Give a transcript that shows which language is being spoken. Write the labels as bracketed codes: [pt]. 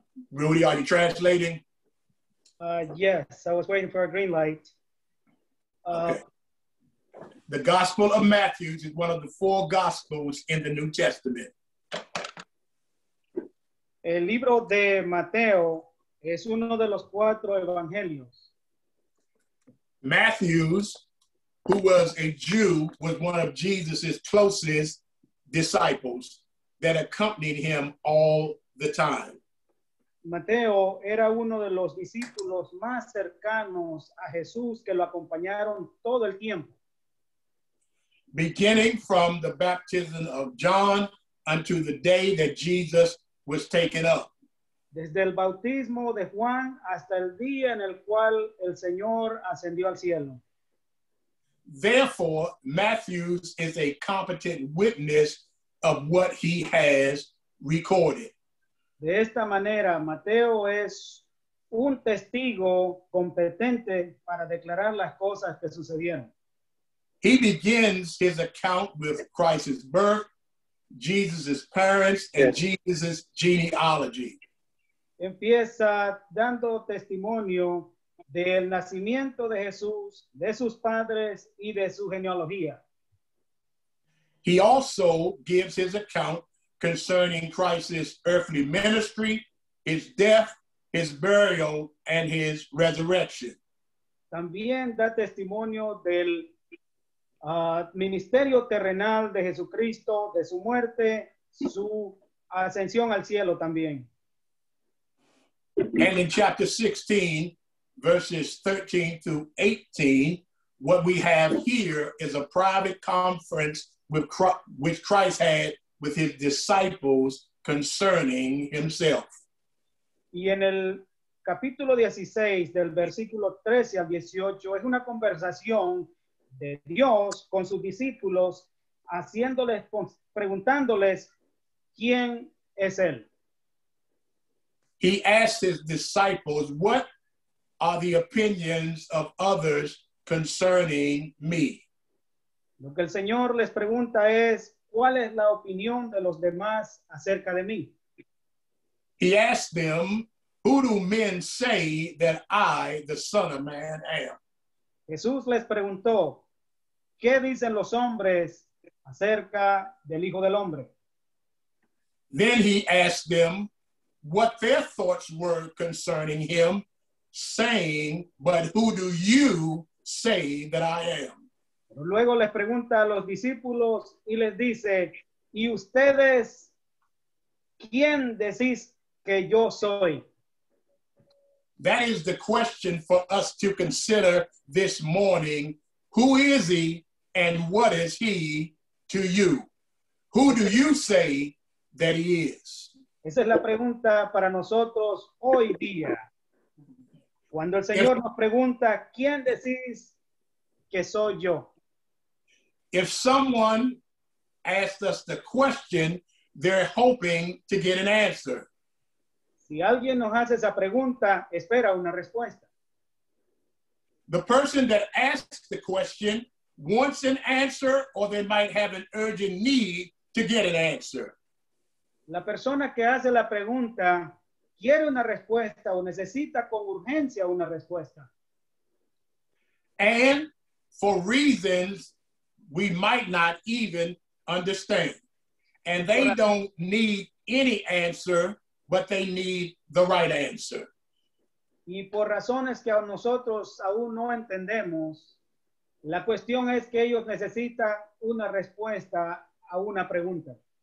[en] Rudy, are you translating? Yes, I was waiting for a green light. Okay. The Gospel of Matthew is one of the four Gospels in the New Testament. [es] El libro de Mateo es uno de los cuatro evangelios. [en] Matthews, who was a Jew, was one of Jesus's closest disciples that accompanied him all the time. [es] Mateo era uno de los discípulos más cercanos a Jesús que lo acompañaron todo el tiempo. [en] Beginning from the baptism of John unto the day that Jesus was taken up, [es] Desde el bautismo de Juan hasta el día en el cual el Señor ascendió al cielo. [en] Therefore, Matthew is a competent witness of what he has recorded. [es] De esta manera, Mateo es un testigo competente para declarar las cosas que sucedieron. [en] He begins his account with Christ's birth, Jesus's parents, and Jesus's genealogy. [es] Empieza dando testimonio del nacimiento de Jesús, de sus padres y de su genealogía. [en] He also gives his account concerning Christ's earthly ministry, his death, his burial, and his resurrection. [es] También da testimonio del ministerio terrenal de Jesucristo, de su muerte, su ascensión al cielo también. [en] And in chapter 16, verses 13 through 18, what we have here is a private conference which Christ had with his disciples concerning himself. [es] Y en el capítulo 16, del versículo 13 al 18, es una conversación de Dios con sus discípulos, haciéndoles, preguntándoles quién es él. [en] He asked his disciples, what are the opinions of others concerning me? [es] Lo que el Señor les pregunta es, ¿cuál es la opinión de los demás acerca de mí? [en] He asked them, who do men say that I, the Son of Man, am? [es] Jesús les preguntó, ¿qué dicen los hombres acerca del Hijo del Hombre? [en] Then he asked them, what their thoughts were concerning him, saying, but who do you say that I am? [es] Pero luego les pregunta a los discípulos y les dice, ¿y ustedes quién decís que yo soy? [en] That is the question for us to consider this morning. Who is he and what is he to you? Who do you say that he is? [es] Esa es la pregunta para nosotros hoy día. Cuando el Señor nos pregunta, ¿quién decís que soy yo? [en] If someone asks us the question, they're hoping to get an answer. [es] Si alguien nos hace esa pregunta, espera una respuesta. [en] The person that asks the question wants an answer, or they might have an urgent need to get an answer. [es] La persona que hace la pregunta quiere una respuesta o necesita con urgencia una respuesta. [en] And for reasons we might not even understand. And they don't need any answer, but they need the right answer. [es] Y por razones que a nosotros aún no entendemos, la cuestión es que ellos necesitan una respuesta a una pregunta.